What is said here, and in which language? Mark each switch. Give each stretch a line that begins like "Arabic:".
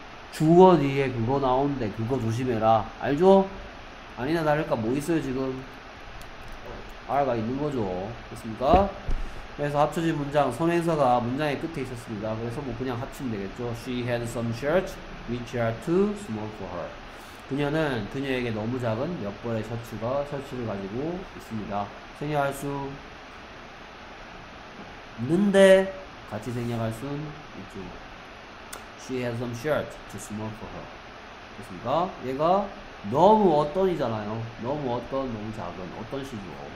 Korean: 주어 뒤에 그거 나오는데 그거 조심해라. 알죠? 아니나 다를까 뭐 있어요 지금? R가 있는 거죠. 됐습니까? 그래서 합쳐진 문장 선행사가 문장의 끝에 있었습니다. 그래서 뭐 그냥 합치면 되겠죠.
English: She had some shirts which are too small for her.
Korean: 그녀는 그녀에게 너무 작은 몇 벌의 셔츠를 가지고 있습니다. 생략할 수 있는데 같이 생략할 수 있죠.
English: She has some shirts too small for her.
Korean: 됐습니까? 얘가 너무 어떤이잖아요. 너무 어떤, 너무 작은 어떤 시주어.